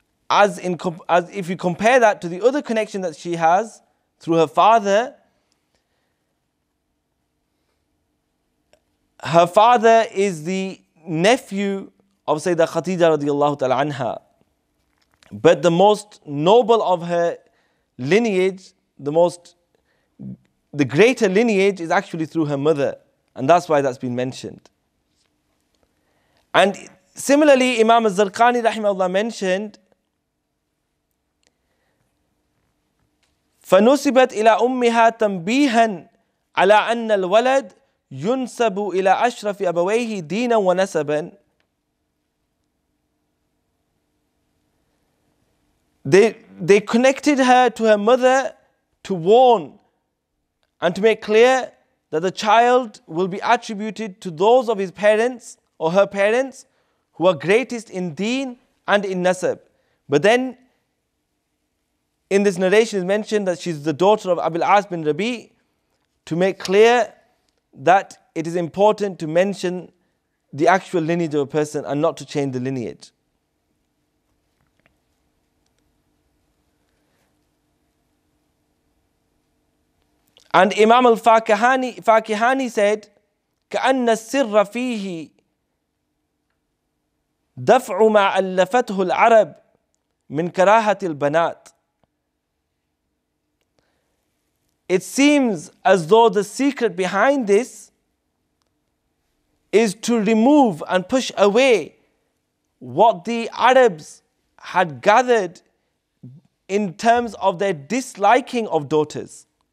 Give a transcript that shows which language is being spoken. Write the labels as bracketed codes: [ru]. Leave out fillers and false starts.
[en] As if you compare that to the other connection that she has through her father, her father is the nephew of Sayyidah Khadija radiallahu ta'ala anha. But the most noble of her lineage, the greater lineage is actually through her mother. And that's why that's been mentioned. And similarly, Imam Az-Zarqani rahimahullah mentioned, [ar] فَنُسِبَتْ إِلَىٰ أُمِّهَا تَنْبِيهًا عَلَىٰ أَنَّ الْوَلَدْ يُنْسَبُ إِلَىٰ أَشْرَفِ أَبَوَيْهِ دِينًا وَنَسَبًا. [en] They connected her to her mother to warn and to make clear that the child will be attributed to those of his parents or her parents who are greatest in deen and in nasab. But then, in this narration is mentioned that she's the daughter of Abil As bin Rabi, to make clear that it is important to mention the actual lineage of a person and not to change the lineage. And Imam al-Faqihani said, [ar] كَأَنَّ السِّرَّ فِيهِ دَفْعُ مَا أَلَّفَتْهُ الْعَرَبِ مِنْ كَرَاهَةِ الْبَنَاتِ. [en] It seems as though the secret behind this is to remove and push away what the Arabs had gathered in terms of their disliking of daughters.